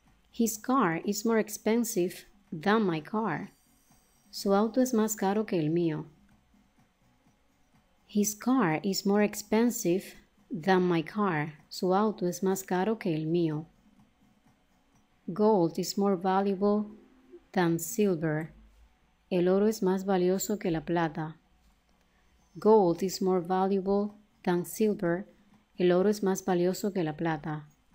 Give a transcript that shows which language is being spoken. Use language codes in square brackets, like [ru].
[en] His car is more expensive than my car. [es] Su auto es más caro que el mío. [en] His car is more expensive than my car. [es] Su auto es más caro que el mío. [en] Gold is more valuable than silver. [es] El oro es más valioso que la plata. [en] Gold is more valuable than silver. [es] El oro es más valioso que la plata.